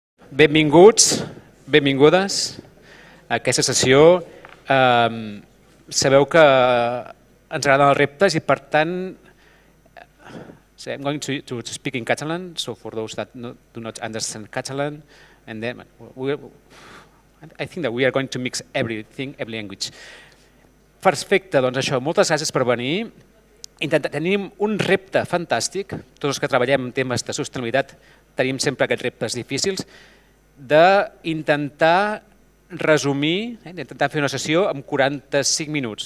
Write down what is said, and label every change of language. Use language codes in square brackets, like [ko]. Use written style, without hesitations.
[ca] Benvinguts, benvingudes a aquesta sessió. Sabeu que ens agraden els reptes i per tant... [en] I'm going to speak in Catalan, so for those that do not understand Catalan, and then I think that we are going to mix everything, every language. [ca] Perfecte, doncs això, moltes gràcies per venir. Tenim un repte fantàstic, tots els que treballem en temes de sostenibilitat tenim sempre aquests reptes difícils, d'intentar resumir, intentar fer una sessió en 45 minuts.